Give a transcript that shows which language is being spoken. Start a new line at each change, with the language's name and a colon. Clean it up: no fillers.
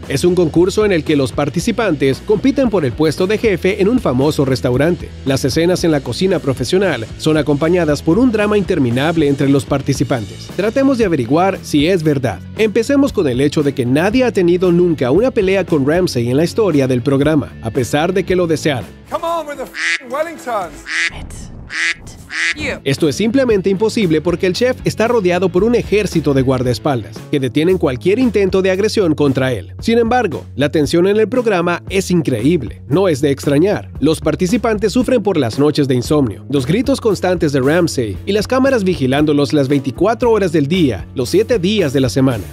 Spanish: Es un concurso en el que los participantes compiten por el puesto de jefe en un famoso restaurante. Las escenas en la cocina profesional son acompañadas por un drama interminable entre los participantes. Tratemos de averiguar si es verdad. Empecemos con el hecho de que nadie ha tenido nunca una pelea con Ramsay en la historia del programa, a pesar de que lo desearan.
English: Come on with the f***ing Wellingtons.
Spanish: Esto es simplemente imposible porque el chef está rodeado por un ejército de guardaespaldas, que detienen cualquier intento de agresión contra él. Sin embargo, la tensión en el programa es increíble, no es de extrañar. Los participantes sufren por las noches de insomnio, los gritos constantes de Ramsay y las cámaras vigilándolos las 24 horas del día, los 7 días de la semana.